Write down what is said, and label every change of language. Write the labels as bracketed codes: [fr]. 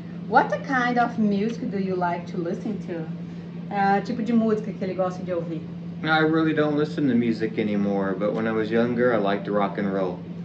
[en] What kind of music do you like to listen to? [pt] Tipo de música que ele gosta de ouvir? [en] I really don't listen to music anymore, but when I was younger, I liked rock and roll.